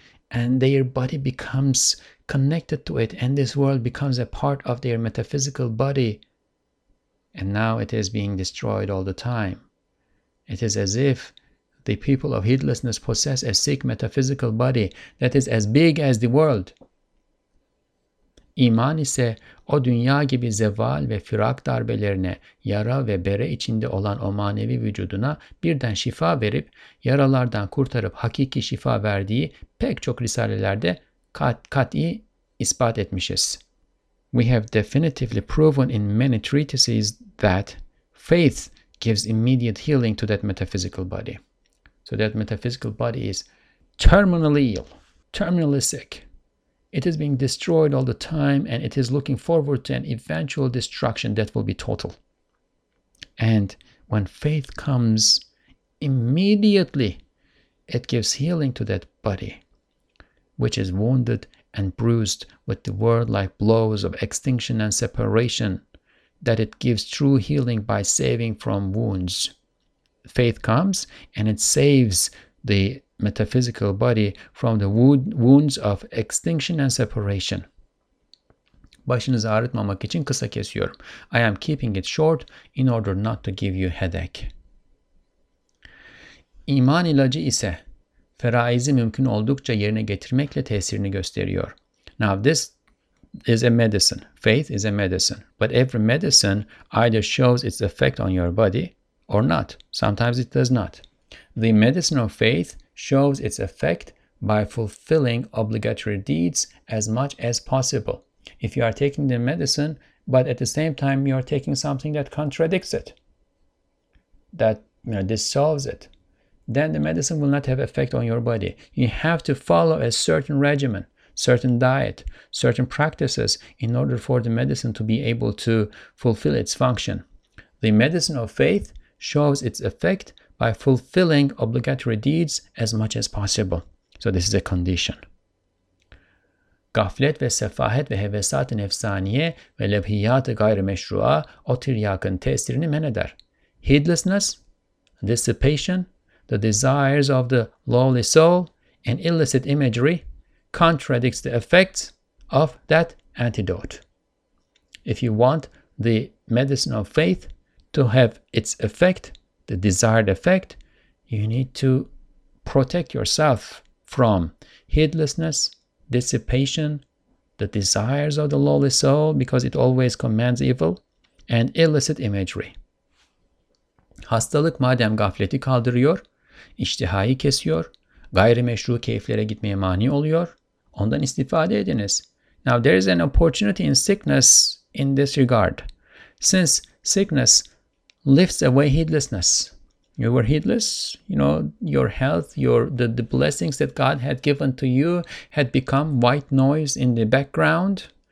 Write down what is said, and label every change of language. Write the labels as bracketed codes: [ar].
[en] And their body becomes connected to it. And this world becomes a part of their metaphysical body. And now it is being destroyed all the time. It is as if the people of heedlessness possess a sick metaphysical body that is as big as the world. [tr] İman ise o dünya gibi zeval ve firak darbelerine, yara ve bere içinde olan o manevi vücuduna birden şifa verip, yaralardan kurtarıp hakiki şifa verdiği pek çok risalelerde kat'i ispat etmişiz. [en] We have definitively proven in many treatises that faith gives immediate healing to that metaphysical body. So that metaphysical body is terminally ill, terminally sick. It is being destroyed all the time, and it is looking forward to an eventual destruction that will be total. And when faith comes, immediately it gives healing to that body, which is wounded and bruised with the world-like blows of extinction and separation, that it gives true healing by saving from wounds. Faith comes and it saves the metaphysical body from the wounds of extinction and separation. [tr] Başınızı ağrıtmamak için kısa kesiyorum. [en] I am keeping it short in order not to give you headache. [tr] İman ilacı ise feraizi mümkün oldukça yerine getirmekle tesirini gösteriyor. [en] Now this is a medicine. Faith is a medicine. But every medicine either shows its effect on your body or not. Sometimes it does not. The medicine of faith shows its effect by fulfilling obligatory deeds as much as possible. If you are taking the medicine, but at the same time you are taking something that contradicts it, that dissolves it, then the medicine will not have effect on your body. You have to follow a certain regimen, certain diet, certain practices in order for the medicine to be able to fulfill its function. The medicine of faith shows its effect by fulfilling obligatory deeds as much as possible. So this is a condition. [tr] Gaflet ve sefahet ve hevesat-ı nefsaniye ve lebhiyat-ı gayrimeşru'a o tiryakın tesirini men eder. [en] Heedlessness, dissipation, the desires of the lowly soul, and illicit imagery contradicts the effects of that antidote. If you want the medicine of faith to have its effect, the desired effect, you need to protect yourself from heedlessness, dissipation, the desires of the lowly soul, because it always commands evil, and illicit imagery. [tr] Hastalık madem gafleti kaldırıyor, iştihayı kesiyor, gayrimeşru keyiflere gitmeye mani oluyor, ondan istifade ediniz. [en] Now there is an opportunity in sickness in this regard, since sickness lifts away heedlessness. You were heedless, you know, your health, the blessings that God had given to you had become white noise in the background.